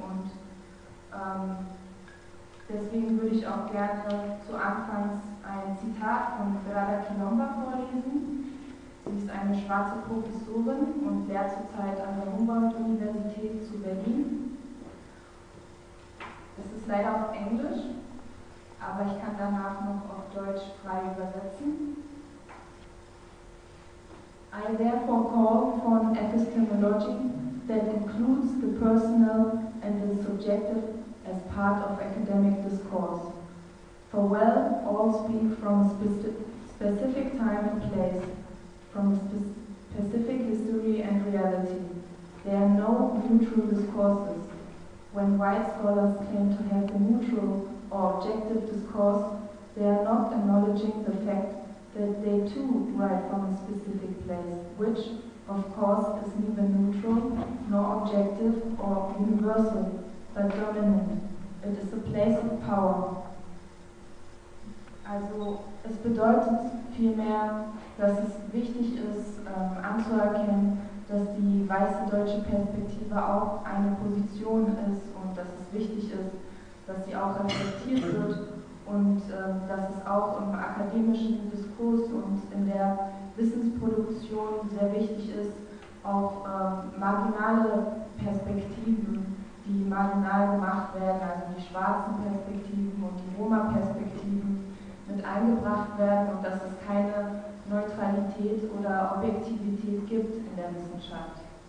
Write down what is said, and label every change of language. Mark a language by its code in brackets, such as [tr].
[de] Und deswegen würde ich auch gerne zu Anfangs ein Zitat von Grada Quilomba vorlesen. Sie ist eine schwarze Professorin und lehrt zurzeit an der Humboldt-Universität zu Berlin. Es ist leider auf Englisch, aber ich kann danach noch auf Deutsch frei übersetzen. [en] I therefore call for an epistemology that includes the personal and the subjective as part of academic discourse. For well, all speak from a specific time and place, from a specific history and reality. There are no neutral discourses. When white scholars claim to have a neutral or objective discourse, they are not acknowledging the fact that they too write from a specific place, which, of course, is neither neutral nor objective or universal, but dominant. It is a place of power. [de] Also, es bedeutet vielmehr, dass es wichtig ist, anzuerkennen, dass die weiße deutsche Perspektive auch eine Position ist und dass es wichtig ist, dass sie auch reflektiert wird und dass es auch im akademischen Diskurs und in der Wissensproduktion sehr wichtig ist, auch marginale Perspektiven, die marginal gemacht werden, also die schwarzen Perspektiven und die Roma-Perspektiven, mit eingebracht werden und dass es keine Neutralität oder Objektivität gibt in der Wissenschaft.